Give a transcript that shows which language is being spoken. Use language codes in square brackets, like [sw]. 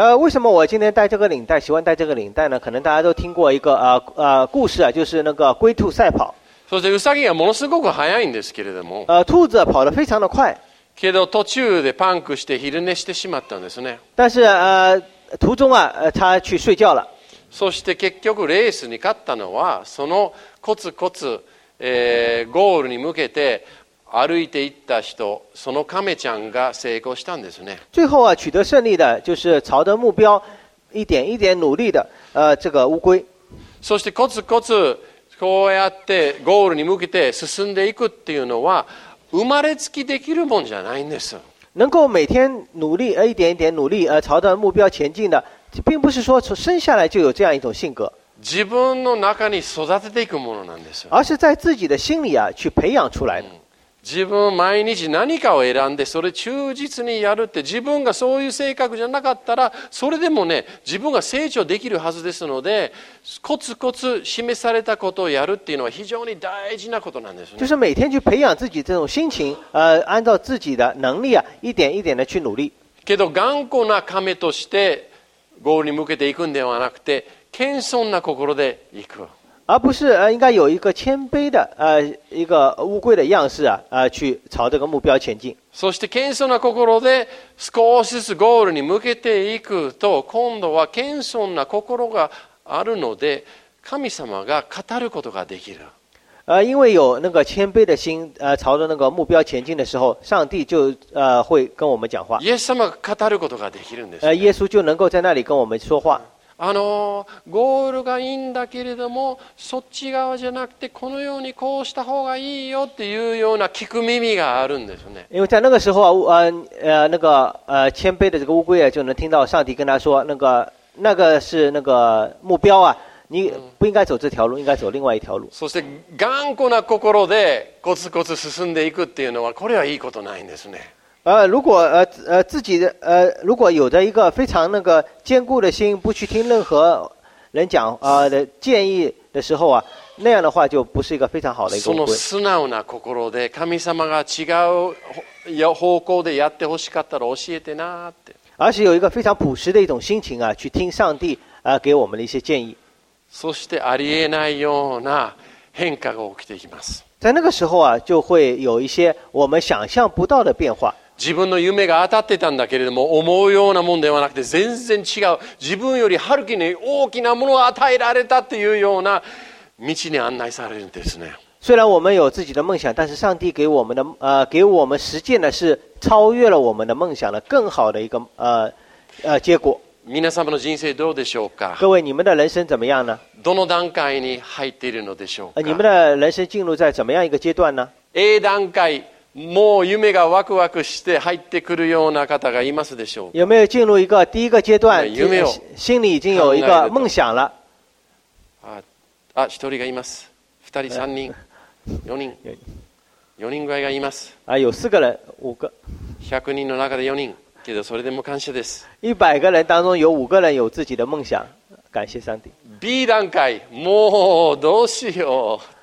[zh] 为什么我今天戴这个领带，喜欢戴这个领带呢？可能大家都听过一个故事啊，就是那个龟兔赛跑。 [ja] そしてウサギはものすごく速いんですけれども。 [zh] 兔子跑得非常的快。 [ja] けど途中でパンクして昼寝してしまったんですね。 [zh] 但是途中啊，他去睡觉了。 [ja] そして結局レースに勝ったのはそのコツコツ。ゴールに向けて歩いていった人、そのカメちゃんが成功したんですね。最後は [zh] 取得胜利的就是朝着目標一点一点努力的这个乌龟。 [ja] そしてコツコツこうやってゴールに向けて進んでいくっていうのは生まれつきできるもんじゃないんです。 [zh] 能够每天努力一点一点努力朝着目標前进的，并不是说生下来就有这样一种性格。 [ja] 自分の中に育てていくものなんです。 [zh] 而是在自己的心里啊去培养出来的。 [ja] 自分毎日何かを選んでそれ忠実にやるって自分がそういう性格じゃなかったらそれでもね自分が成長できるはずですのでコツコツ示されたことをやるっていうのは非常に大事なことなんですね。 [zh] 就是每天去培养自己这种心情，按照自己的能力啊一点一点的去努力。 [ja] けど頑固な亀としてゴールに向けていくんではなくて。謙遜な心で行く。 [zh] 而不是应该有一个谦卑的一个乌龟的样式啊去朝这个目标前进。 [ja] そして謙遜な心で少しずつゴールに向けていくと今度は謙遜な心があるので神様が語ることができる。 [zh] 因为有那个谦卑的心朝着那个目标前进的时候上帝就会跟我们讲话。 [ja] イエス様が語ることができるんです。 [zh] 耶稣就能够在那里跟我们说话。 [ja] ゴールがいいんだけれどもそっち側じゃなくてこのようにこうした方がいいよっていうような聞く耳があるんですね。 [zh] 因为在那个时候啊，那个谦卑的这个乌龟啊，就能听到上帝跟他说，那个是那个目标啊，你不应该走这条路，应该走另外一条路。 [ja] そして頑固な心でコツコツ進んでいくっていうのはこれはいいことないんですね。 [zh] 如果自己的如果有着一个非常那个坚固的心，不去听任何人讲的建议的时候啊，那样的话就不是一个非常好的一个。 [ja] その素直な心で神様が違う方向でやってほしかったら教えてなって。 [zh] 而是有一个非常朴实的一种心情啊，去听上帝给我们的一些建议。 [ja] そしてありえないような変化が起きていきます。 [zh] 在那个时候啊，就会有一些我们想象不到的变化。 [ja] 自分の夢が当たってたんだけれども、思うようなもんではなくて全然違う。自分よりはるきに大きなものを与えられたっていうような道に案内されるんですね。 [zh] 虽然我们有自己的梦想，但是上帝给我们的给我们实践的是超越了我们的梦想的更好的一个结果。 [ja] 皆様の人生どうでしょうか。 [zh] 各位，你们的人生怎么样呢？ [ja] どの段階に入っているのでしょうか。 [zh] 你们的人生进入在怎么样一个阶段呢 [ja] ？A 段階、もう夢がワクワクして入ってくるような方がいますでしょうか。 [zh] 有没有进入一个第一个阶段？ [ja] 夢を [zh] 心里已经有一个梦想了。 [ja] 一人がいます。二人、三人、四人、四人ぐらいがいます。 [zh] 有四个人、五个。 [ja] 100人の中で4人。けどそれでも感謝です。 [zh] 100个人当中有5个人有自己的梦想，感谢上帝。 [ja] B 段階、もうどうしよう。